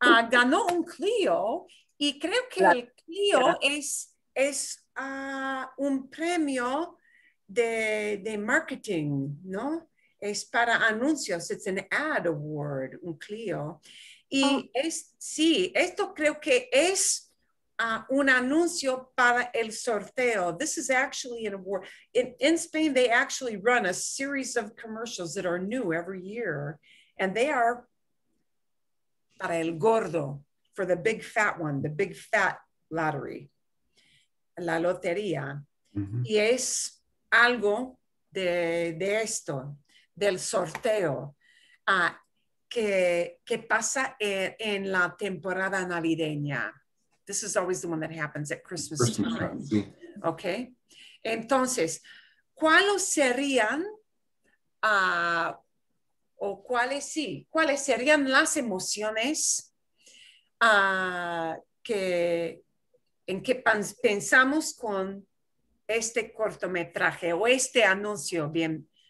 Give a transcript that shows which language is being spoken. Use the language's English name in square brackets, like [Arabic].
[Spanish] Ganó un Clio y creo que el Clio es un premio de marketing, ¿no? Es para anuncios, [English] it's an ad award, [Spanish] un Clio. Y esto creo que es un anuncio para el sorteo. [English] This is actually an award. In Spain, they actually run a series of commercials that are new every year. And they are [Spanish] para el gordo, [English] for the big fat one, the big fat lottery, [Spanish] la lotería. Mm-hmm. Y es algo de esto, del sorteo. Que pasa en la temporada navideña. [English] This is always the one that happens at Christmas time. [Spanish] Sí. [English] Okay. [Spanish] Entonces, ¿cuáles serían cuáles serían las emociones que pensamos con este cortometraje o este anuncio? Bien.